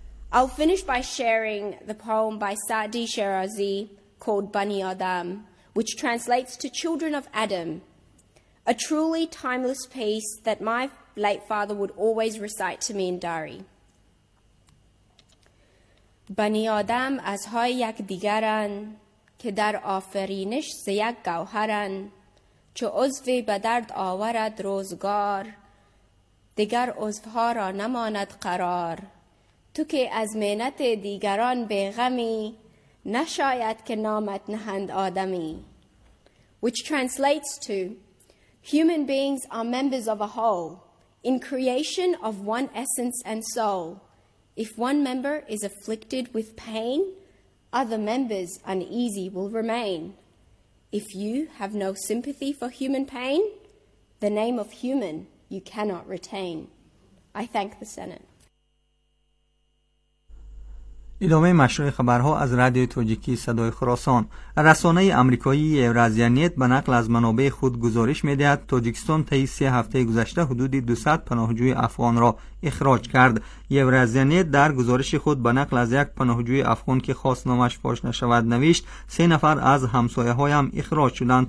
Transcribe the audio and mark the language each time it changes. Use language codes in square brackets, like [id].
[en] I'll finish by sharing the poem by Sa'di Shirazi called Bani Adam, which translates to Children of Adam. A truly timeless piece that my late father would always recite to me in Dari. [fa] بنی آدم از های یک دیگرن که در آفرینش ز یک گوهرن چو عضوی به درد آورد روزگار دیگر عضوها را نماند قرار تو که از مهنت دیگران بیغمی نشاید که نامت نهند آدمی. [en] Which translates to, human beings are members of a whole, in creation of one essence and soul. If one member is afflicted with pain, other members uneasy will remain. If you have no sympathy for human pain, the name of human you cannot retain. I thank the Senate. [fa] ادامه مشروع خبرها از رادیو تاجیکی صدای خراسان. رسانه آمریکایی یورازیانیت به نقل از منابع خود گزارش می‌دهد تاجیکستان طی 3 هفته گذشته حدود 200 پناهجوی افغان را اخراج کرد. یورازیانیت در گزارش خود به نقل از یک پناهجوی افغان که خواست نامش فاش نشود نوشت 3 نفر از همسایه هایم اخراج شدند.